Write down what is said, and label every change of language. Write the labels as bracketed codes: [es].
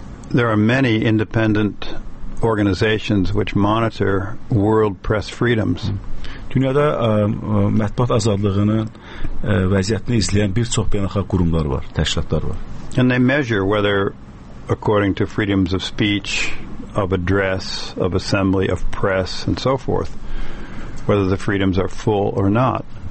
[en] There are many independent organizations which monitor world press freedoms. [az] Dünyada mətbuat azadlığının vəziyyətini izləyən bir çox beynəlxalq qurumlar var, təşkilatlar var. [en] And they measure whether according to freedoms of speech, of address, of assembly, of press and so forth, whether the freedoms are full or not.